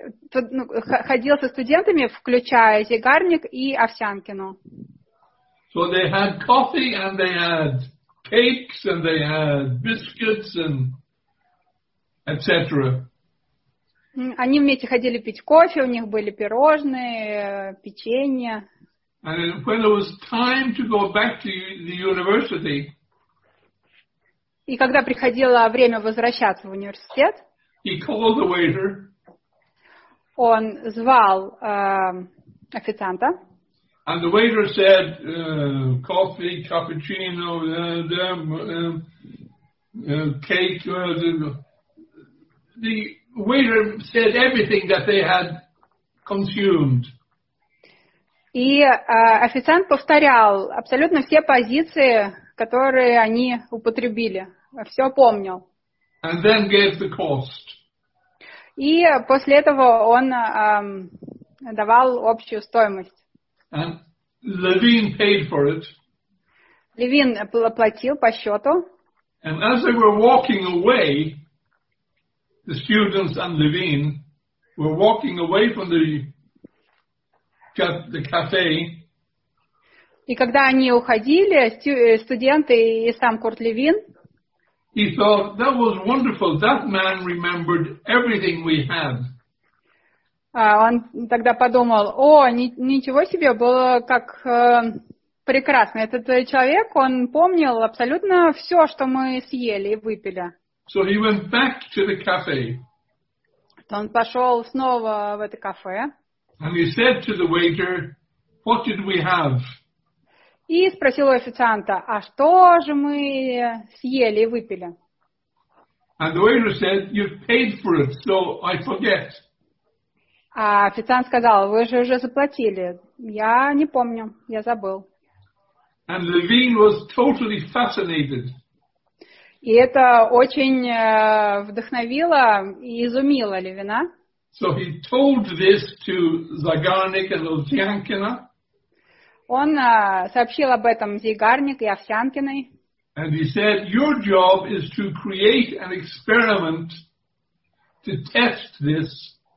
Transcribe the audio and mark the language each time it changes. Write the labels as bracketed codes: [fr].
[ru] Ходил со студентами, включая Зигарник и Овсянкину. [en] So they had coffee and they had cakes and they had biscuits and etc. [ru] Они вместе ходили пить кофе, у них были пирожные, печенье. [en] And when it was time to go back to the university. [ru] И когда приходило время возвращаться в университет, [en] he called the waiter. [ru] Он звал официанта. [en] And the waiter said, coffee, cappuccino, cake. The waiter said everything that they had consumed. [ru] И официант повторял абсолютно все позиции, которые они употребили. Все помнил. [en] And then gave the cost. [ru] И после этого он давал общую стоимость. [en] Levine paid for it. [ru] Левин оплатил по счету. [en] And as they were walking away, the students and Levine were walking away from the cafe. [ru] И когда они уходили, студенты и сам Курт Левин, [en] he thought, that was wonderful. That man remembered everything we had. [ru] Он тогда подумал, о, ничего себе, было как прекрасно. Этот человек, он помнил абсолютно все, что мы съели и выпили. [en] So he went back to the cafe. [ru] Он пошел снова в это кафе. [en] And he said to the waiter, what did we have? [ru] И спросил у официанта, а что же мы съели и выпили? [en] And the waiter said, you've paid for it, so I forget. [ru] А официант сказал, вы же уже заплатили. Я не помню, я забыл. [en] And Levine was totally fascinated. [ru] И это очень вдохновило и изумило Левина. [en] So he told this to Zagarnik and Ovsyankina. [ru] Он сообщил об этом Зигарник и Овсянкиной. [en] And he said, your job is to create an experiment to test this.